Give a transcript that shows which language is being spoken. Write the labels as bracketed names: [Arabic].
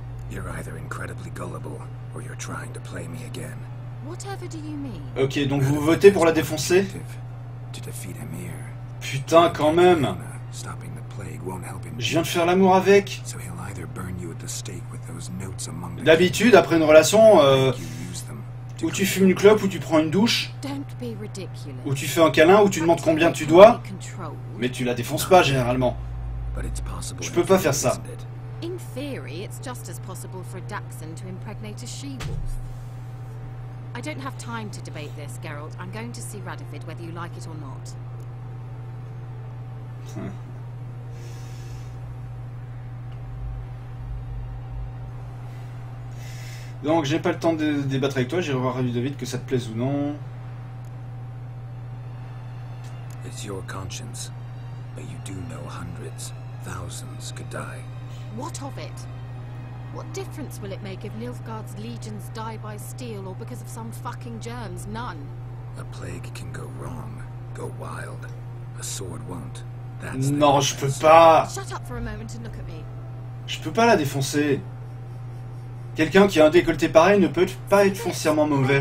[English] You're either incredibly gullible, or you're trying to play me again. Whatever do you mean? [French] Ok, donc vous votez pour la défoncer? [English] To defeat him here. [French] Putain, quand même! [English] Stopping the plague won't help him. [French] Je viens de faire l'amour avec. [English] So he'll either burn you at the stake with those notes among the... [French] D'habitude, après une relation, ou tu fumes une clope, ou tu prends une douche, ou tu fais un câlin, ou tu demandes combien tu dois, mais tu la défonces pas, généralement. Je peux pas faire ça. [English] In theory, it's just as possible for a Daxon to impregnate a she-wolf. I don't have time to debate this, Geralt. I'm going to see Radovid, whether you like it or not. [French] Donc j'ai pas le temps de débattre avec toi, j'irai voir Radovid que ça te plaise ou non. [English] It's your conscience, but you do know hundreds, thousands could die. What of it? What difference will it make if Nilfgaard's legions die by steel or because of some fucking germs? None. A plague can go wrong, go wild. A sword won't. [French] Non, je peux pas. [English] Shut up for a moment and look at me. [French] Je peux pas la défoncer. Quelqu'un qui a un décolleté pareil ne peut pas être foncièrement mauvais.